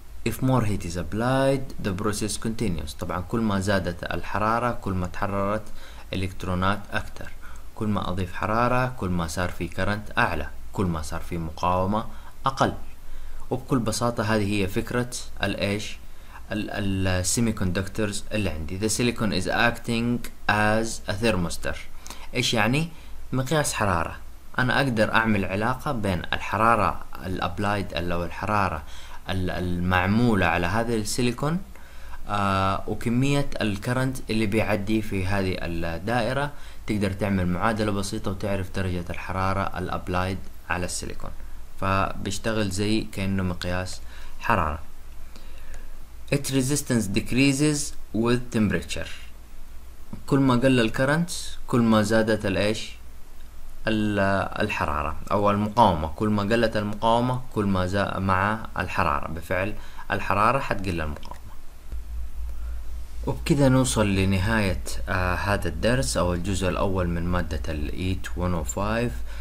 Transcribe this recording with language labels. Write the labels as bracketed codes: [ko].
[en] If more heat is applied, the process continues. [ar] طبعا كل ما زادت الحرارة، كل ما تحررت إلكترونات أكثر. كل ما أضيف حرارة، كل ما صار في كرنت أعلى، كل ما صار في مقاومة أقل. وبكل بساطة هذه هي فكرة الإيش، السيمي كوندكتورز اللي عندي. [en] The silicon is acting as a thermistor. [ar] إيش يعني؟ مقياس حرارة. أنا أقدر أعمل علاقة بين الحرارة الأبلايد أو الحرارة المعمولة على هذا السيليكون، وكمية الكرنت اللي بيعدي في هذه الدائرة. تقدر تعمل معادلة بسيطة وتعرف درجة الحرارة الأبلايد على السيليكون، فبيشتغل زي كأنه مقياس حرارة. [en] Its resistance decreases with temperature. [ar] كل ما قل الكرنت، كل ما زادت الإيش، الحرارة أو المقاومة. كل ما قلت المقاومة، كل ما زاد مع الحرارة، بفعل الحرارة حتقل المقاومة. وبكذا نوصل لنهاية هذا الدرس أو الجزء الأول من مادة الـ EAT 105.